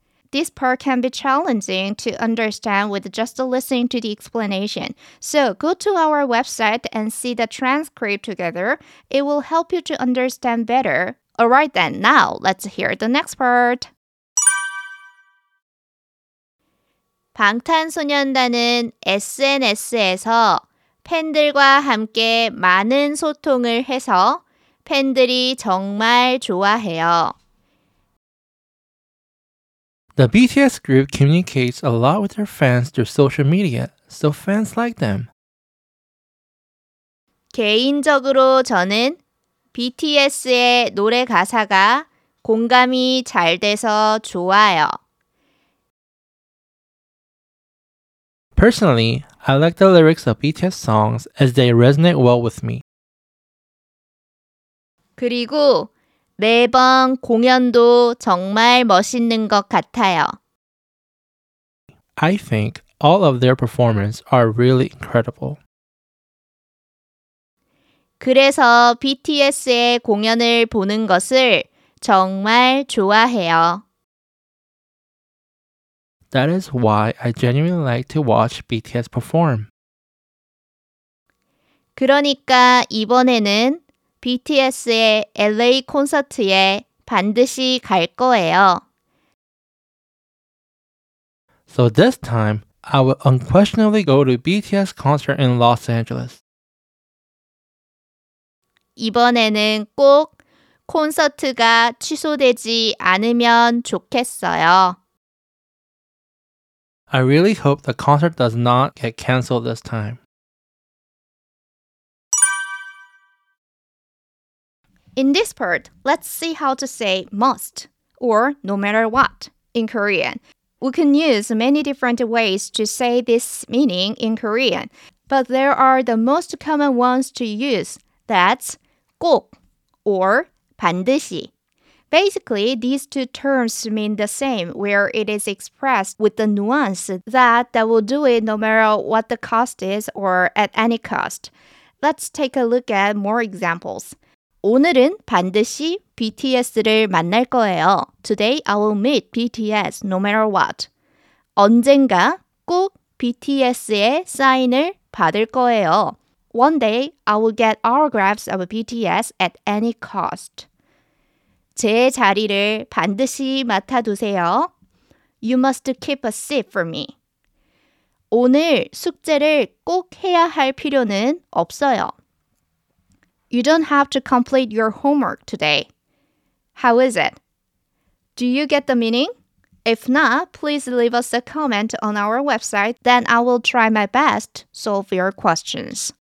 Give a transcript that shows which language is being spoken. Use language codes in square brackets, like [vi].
[en] This part can be challenging to understand with just listening to the explanation. So go to our website and see the transcript together. It will help you to understand better. Alright then, now let's hear the next part. [ko] 방탄소년단은 SNS에서 팬들과 함께 많은 소통을 해서 팬들이 정말 좋아해요. [en] The BTS group communicates a lot with their fans through social media, so fans like them. [ko] 개인적으로 저는 BTS의 노래 가사가 공감이 잘 돼서 좋아요. [en] Personally, I like the lyrics of BTS songs as they resonate well with me. [ko] 그리고 매번 공연도 정말 멋있는 것 같아요. [en] I think all of their performances are really incredible. [ko] 그래서 BTS의 공연을 보는 것을 정말 좋아해요. [en] That is why I genuinely like to watch BTS perform. [ko] 그러니까 이번에는 BTS의 LA 콘서트에 반드시 갈 거예요. [en] So this time, I will unquestionably go to BTS concert in Los Angeles. [ko] 이번에는 꼭 콘서트가 취소되지 않으면 좋겠어요. [en] I really hope the concert does not get canceled this time. In this part, let's see how to say must or no matter what in Korean. We can use many different ways to say this meaning in Korean, but there are the most common ones to use, that's 꼭 or 반드시. Basically, these two terms mean the same, where it is expressed with the nuance that they will do it no matter what the cost is or at any cost. Let's take a look at more examples. [ko] 오늘은 반드시 BTS를 만날 거예요. [en] Today, I will meet BTS no matter what. [ko] 언젠가 꼭 BTS의 사인을 받을 거예요. [en] One day, I will get autographs of BTS at any cost. [ko] 제 자리를 반드시 맡아두세요. [en] You must keep a seat for me. [ko] 오늘 숙제를 꼭 해야 할 필요는 없어요. [en] You don't have to complete your homework today. How is it? Do you get the meaning? If not, please leave us a comment on our website, then I will try my best to solve your questions.